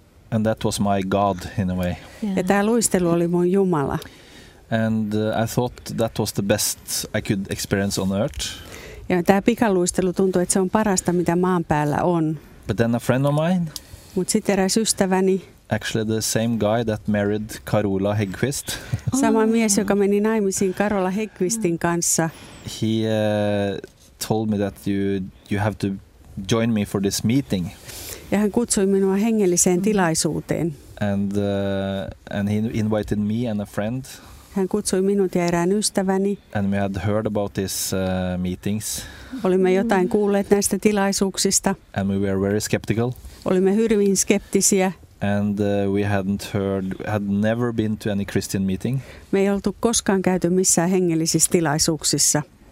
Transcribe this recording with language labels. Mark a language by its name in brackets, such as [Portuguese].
[English] And that was my god in a way. [Finnish] Ja tämä luistelu oli mun jumala. [English] And I thought that was the best I could experience on earth. [Finnish] Ja tämä pikaluistelu tuntui, että se on parasta, mitä maan päällä on. [English] But then a friend of mine. [Finnish] Mut sitten eräs ystäväni. [English] Actually the same guy that married Carola Häggqvist. [Finnish] Sama mies, joka meni naimisiin Carola Häggqvistin kanssa. [English] He told me that you have to join me for this meeting. [Finnish] Ja hän kutsui minua hengelliseen tilaisuuteen. [English] And he invited me and a friend. [Finnish] Hän kutsui minut ja erään ystäväni. [English] And we had heard about these meetings. [Finnish] Olimme jotain kuulleet näistä tilaisuuksista. [English] And we were very skeptical. [Finnish] Olimme hyvin skeptisiä. [English] And we hadn't heard, had never been to any Christian meeting. [Finnish] Me ei oltu koskaan käyty missään hengellisissä tilaisuuksissa.